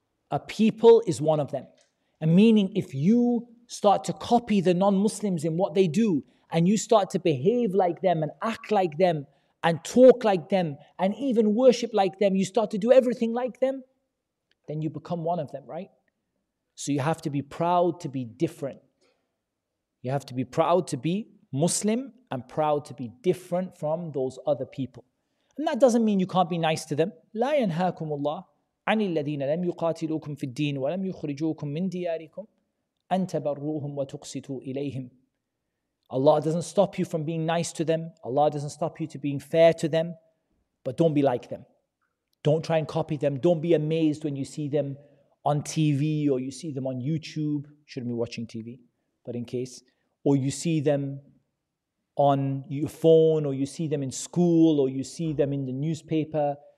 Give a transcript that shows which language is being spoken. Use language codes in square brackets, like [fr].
[en] A people is one of them. And meaning if you start to copy the non-Muslims in what they do, and you start to behave like them, and act like them, and talk like them, and even worship like them, you start to do everything like them, then you become one of them, right? So you have to be proud to be different. You have to be proud to be Muslim, and proud to be different from those other people. And that doesn't mean you can't be nice to them. [ar] لا ينهاكم الله عن الذين لم يقاتلوكم في الدين ولم يخرجوكم من دياركم أن تبروهم وتقسطوا إليهم. [en] Allah doesn't stop you from being nice to them. Allah doesn't stop you to being fair to them. But don't be like them. Don't try and copy them. Don't be amazed when you see them on TV or you see them on YouTube. Shouldn't be watching TV, but in case. Or you see them on your phone, or you see them in school, or you see them in the newspaper.